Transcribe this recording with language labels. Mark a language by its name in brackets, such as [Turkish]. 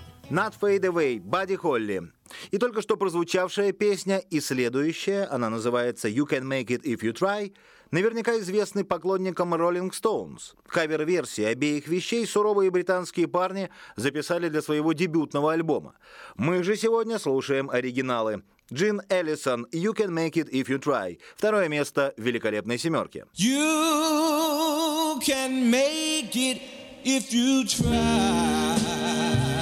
[English] Not Fade Away, Бадди Холли. [Russian] И только что прозвучавшая песня и следующая, она называется You Can Make It If You Try, наверняка известны поклонникам Rolling Stones. Кавер-версии обеих вещей суровые британские парни записали для своего дебютного альбома. Мы же сегодня слушаем оригиналы. Джин Эллисон, You Can Make It If You Try. Второе место в великолепной семерке. [English] You can make it if you try.